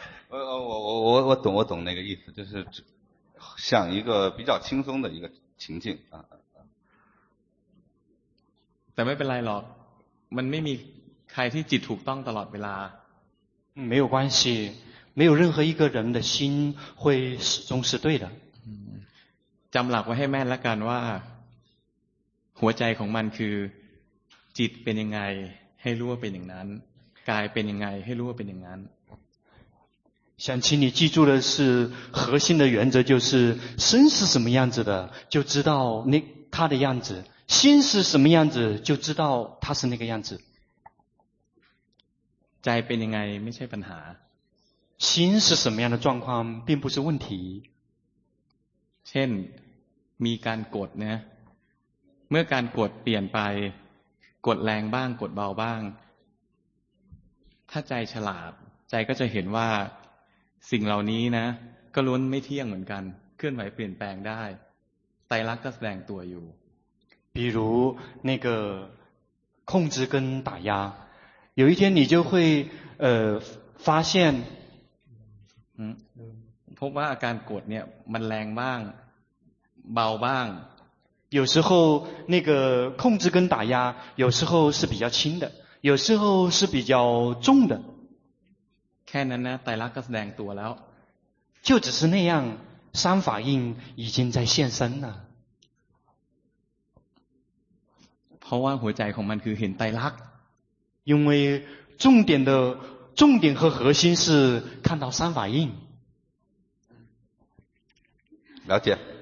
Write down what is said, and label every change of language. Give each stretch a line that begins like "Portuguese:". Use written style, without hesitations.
Chinese: 我懂，我懂那个意思，就是想一个比较轻松的一个情境啊。但没变来咯，
Thai: มันไม่มีใครที่จิตถูกต้องตลอดเวลา。
Chinese: 没有关系。没有任何一个人的心会始终是对的。
Thai: จำหลักไว้ให้แม่แล้วกันว่าหัวใจของมันคือจิตเป็นยังไงให้รู้ว่าเป็นอย่างนั้นกายเป็นยังไงให้รู้ว่าเป็นอย่างนั้น
Chinese: 想请你记住的是核心的原则就是身是什么样子的就知道那他的样子心是什么样子就知道他是那个样子
Thai: ใจเป็นยังไงไม่ใช่ปัญหา
Chinese: Sin是什么样的状况并不是问题。
Thai: เช่นมีการกดเนี่ยเมื่อการกดเปลี่ยนไปกดแรงบ้างกดเบาบ้างถ้าใจฉลาดใจก็จะเห็นว่าสิ่งเหล่านี้นะก็ล้วนไม่เที่ยงเหมือนกันเคลื่อนไหวเปลี่ยนแปลงได้ไตรลักษณ์ก็แสดงตัวอยู่
Chinese: 比如那个控制跟打压有一天你就会发现
Thai: พบว่าอาการกดเนี่ยมันแรงบ้างเบาบ้าง
Chinese: 有时候那个控制跟打压有时候是比较轻的有时候是比较重的
Thai: แค่นั้นนะไตรลักษณ์ก็แสดงตัวแล้ว
Chinese: 就只是那样，三法印已经在现身了。
Thai: เพราะว่าหัวใจของมันคือเห็นไตรลักษณ์。
Chinese: 因为重点的重点和核心是看到三法印。了解。